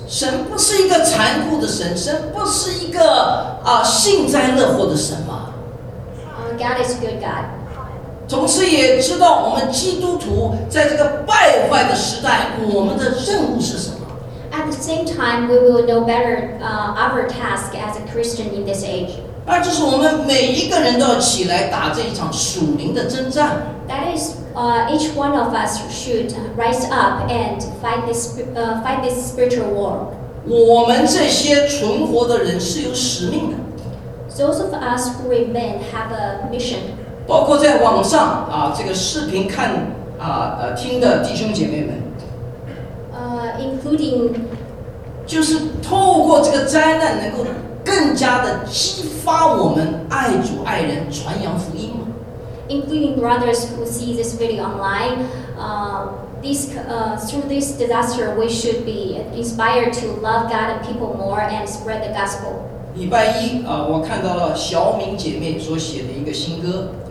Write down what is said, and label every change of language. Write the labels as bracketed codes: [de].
[zh] 神不是一个残酷的神，神不是一个幸灾乐祸的神吗？ [en] God is a good God. [zh] 同时也知道我们基督徒在这个败坏的时代，我们的任务是什么。 [en] At the same time, we will know better our task as a Christian in this age. [zh] 那就是我们每一个人都要起来打这一场属灵的征战。 [en] That is each one of us should rise up and fight this spiritual war. [zh] 我们这些存活的人是有使命的。 [en] Those of us who remain have a mission. [zh] 包括在网上啊，这个视频看啊听的弟兄姐妹们。 [en] Including. [zh] 就是透过这个灾难，能够更加的激发我们爱主爱人，传扬福音吗？ [en] Including brothers who see this video online, through this disaster, we should be inspired to love God and people more and spread the gospel. [zh] 礼拜一啊，我看到了小敏姐妹所写的一个新歌。